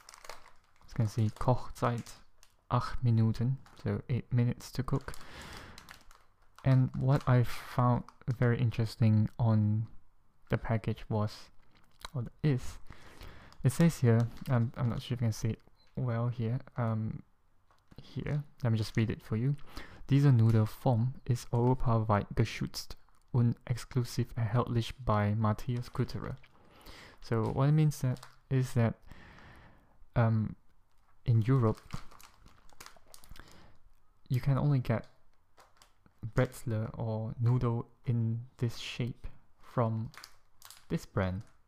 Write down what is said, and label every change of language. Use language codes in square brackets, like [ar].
[en] As you can see, [de] Kochzeit 8 Minuten, [en] so 8 minutes to cook. And what I found very interesting on the package was, it says here, I'm not sure if you can see it well here, let me just read it for you. [de] Diese Nudelform ist europaweit geschützt und exklusiv erhältlich bei Matthias Kutterer. [en] So what it means that is that in Europe, you can only get Brezle or noodle in this shape from this brand.